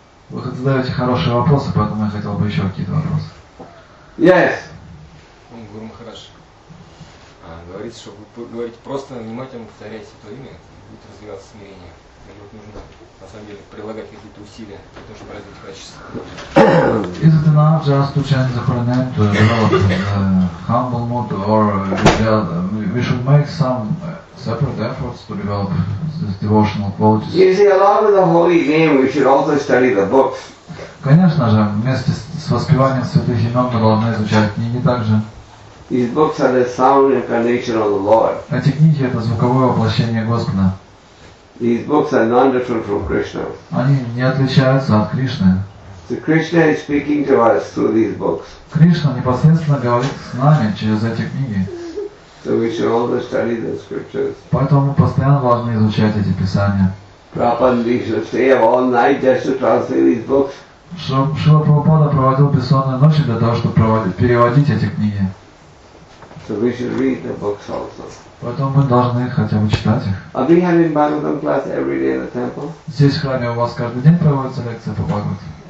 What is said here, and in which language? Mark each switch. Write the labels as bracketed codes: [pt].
[ru] Вы задаете хорошие вопросы, поэтому я хотел бы еще какие-то вопросы. [en] Yes. [ru] Гуру Махарадж. Говорит, что вы говорите просто внимательно повторять это имя, будет развиваться смирение. Или вот нужно на самом деле прилагать какие-то усилия для того, чтобы развить качество. [en] Is it enough just to chant the holy name to develop the humble mode, or we should make some separate efforts to develop this devotional qualities? You see, along with the holy name, we should also study the books. [ru] Конечно же, вместе с воспеванием святых имен мы должны изучать книги также. [en] These books are the sound incarnation of the Lord. [ru] Эти книги — это звуковое воплощение Господа. [en] These books are non-different from Krishna. [ru] Они не отличаются от Кришны. [en] So Krishna is speaking to us through these books. [ru] Кришна непосредственно говорит с нами через эти книги. [en] So we should always study the scriptures. [ru] Поэтому мы постоянно должны изучать эти писания. [en] Prabhupada used to stay up all night just to translate these books. [ru] Шрила Прабхупада проводил бессонные ночи для того, чтобы переводить эти книги. [en] So we should read the books also. [ru] Потом мы должны хотя бы читать их. [en] Are we having Bhagavatam class every day in the temple? [ru] Здесь в храме у вас каждый день проводится лекция по Бхагавате?